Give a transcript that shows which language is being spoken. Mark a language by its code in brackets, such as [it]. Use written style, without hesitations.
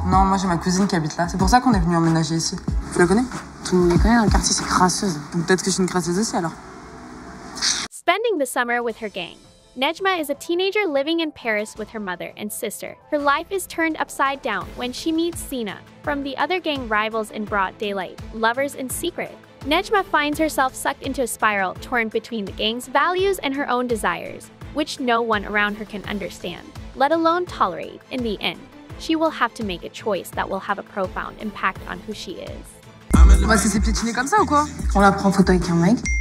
[fr] Non, moi j'ai ma cousine qui habite là. C'est pour ça qu'on est venu emménager ici. Tu la connais? [en] Spending the summer with her gang, Nejma is a teenager living in Paris with her mother and sister. Her life is turned upside down when she meets Sina from the other gang, rivals in broad daylight, lovers in secret. Nejma finds herself sucked into a spiral torn between the gang's values and her own desires, which no one around her can understand, let alone tolerate. In the end, she will have to make a choice that will have a profound impact on who she is. [fr] On va se laisser piétiner comme ça ou quoi? On la prend en photo avec un mec.